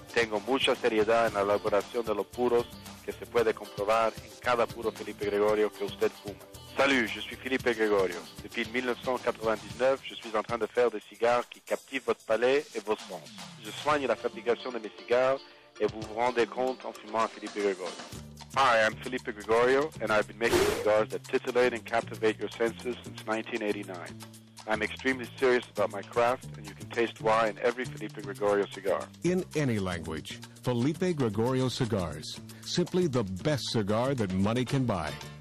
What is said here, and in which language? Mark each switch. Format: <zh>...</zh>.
<es>tengo mucha seriedad en la elaboración de los puros que se puede comprobar en cada puro Felipe Gregorio que usted fuma.</es> <fr>Salut, je suis Felipe Gregorio. Depuis 1999, je suis en train de faire des cigares qui captivent votre palais et vos sens. Je soigne la fabrication de mes cigares et vous vous rendez compte en fumant un Felipe Gregorio.</fr> <en>Hi, I'm Felipe Gregorio, and I've been making cigars that titillate and captivate your senses since 1989. I'm extremely serious about my craft, and you can taste why in every Felipe Gregorio cigar. In any language, Felipe Gregorio cigars, simply the best cigar that money can buy.</en>